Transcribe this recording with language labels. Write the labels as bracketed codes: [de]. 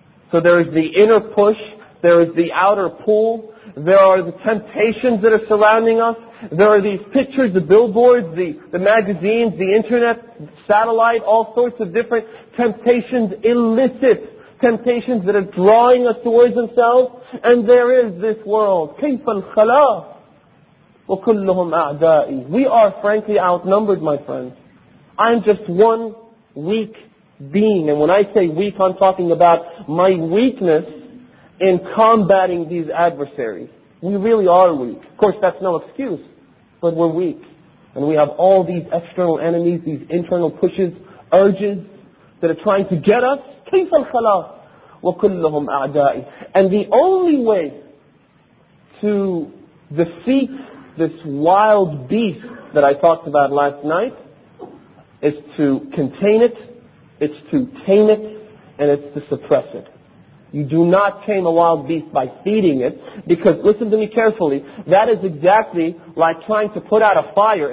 [en] So there is the inner push, there is the outer pull, there are the temptations that are surrounding us, there are these pictures, the billboards, the magazines, the internet, satellite, all sorts of different temptations, illicit temptations that are drawing us towards themselves, and there is this world. [ar] كيف الخلاف وكلهم أعدائي. [en] We are frankly outnumbered, my friends. I'm just one weak being, and when I say weak, I'm talking about my weakness in combating these adversaries. We really are weak. Of course, that's no excuse, but we're weak. And we have all these external enemies, these internal pushes, urges, that are trying to get us. [ar] كيف الخلاف وكلهم أعدائي. [en] And the only way to defeat this wild beast that I talked about last night is to contain it, it's to tame it, and it's to suppress it. You do not tame a wild beast by feeding it, because listen to me carefully, that is exactly like trying to put out a fire.